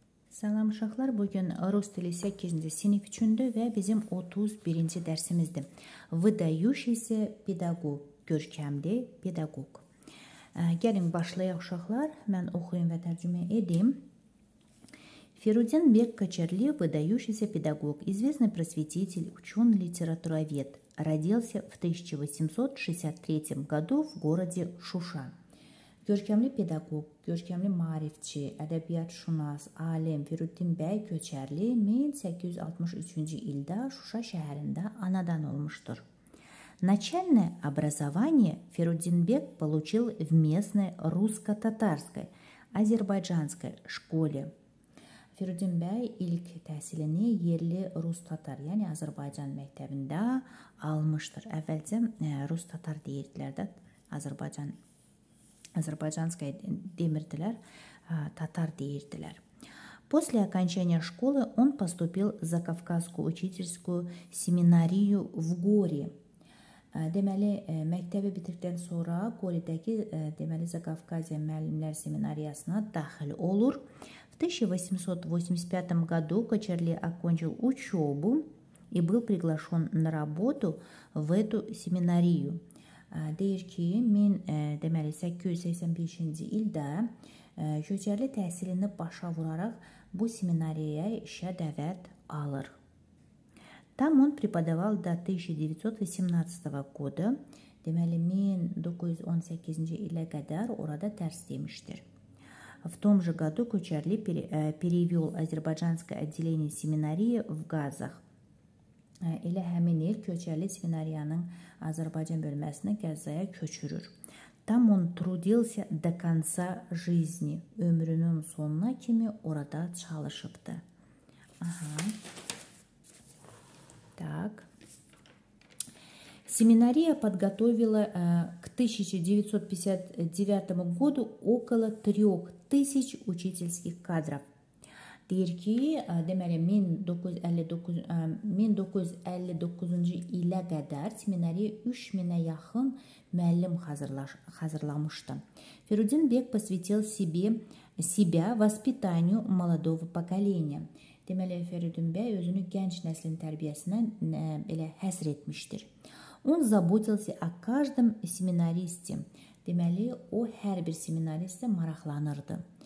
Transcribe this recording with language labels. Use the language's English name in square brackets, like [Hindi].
[Azerbaijani] Salam uşaqlar, bugün rus dili 8-ci sinif üçündür və bizim 31-ci dərsimizdir. [Russian] Выдающийся педагог, [Azerbaijani] görkəmli [Russian] педагог. [Azerbaijani] Gəlin başlayaq uşaqlar, mən oxuyum və tərcümə edim. [Russian] Ферудин Бек Кочерлев, выдающийся педагог, известный просветитель, ученый, литературовед, родился в 1863 году в городе Шуша. [Azerbaijani] Görkəmli педагог, görkəmli maarifçi, ədəbiyyatşünas, alim Ферудин Бек Кочерлев 1863 ildə Шуша şəhərində anadan olmuşdur. [Russian] Начальное образование Ферудин Бек получил в местной русско-татарской, азербайджанской школе. [Azerbaijani] Ферудин Бей ilk təhsilini yerli Rus-Tatar, yəni Azərbaycan məktəbində almışdır. Əvvəlcə Rus-Tatar deyirdilər də, Azərbaycanskaya demirdilər, Tatar deyirdilər. [Russian] После окончания школы он поступил за Кавказскую учительскую семинарию в Горе. [Azerbaijani] Deməli, məktəbi bitirdikdən sonra Qoridəki, deməli, Zaqafqaziya müəllimlər seminariyasına daxil olur. [Russian] В 1885 году Кочерли окончил учебу и был приглашен на работу в эту семинарию. [Azerbaijani] Deyir ki, 1885-ci ildə Kocerli təhsilini başa vuraraq bu seminariyaya işə dəvət alır. [Russian] Там он преподавал до 1918 года, [Azerbaijani] deməli 1918-ci ilə qədər orada dərs demişdir. [Russian] В том же году Кочерли перевел азербайджанское отделение семинарии в Газах. [Azerbaijani] Elə həmin il Kocerli seminariyanın Azərbaycan bölməsini Qəzzaya köçürür. [Russian] Там он трудился до конца жизни. [Azerbaijani] Ömrünün sonuna kimi orada çalışıbdı. Aha. [Russian] Так. Семинария подготовила к 1959 году около 3000 учительских кадров. [Azerbaijani] Deyir ki, deməli, 1959-cu ilə qədər seminariya 3000-ə yaxın müəllim hazırlamışdı. [Russian] Ферудин Бек посвятил себя воспитанию молодого поколения. [Azerbaijani] Deməli, Ферудин Бей özünü gənc nəslin tərbiyəsinə belə həsr etmişdir. [Russian] Он заботился о каждом семинаристе. [Azerbaijani] Deməli, o hər bir семинаристə maraqlanırdı.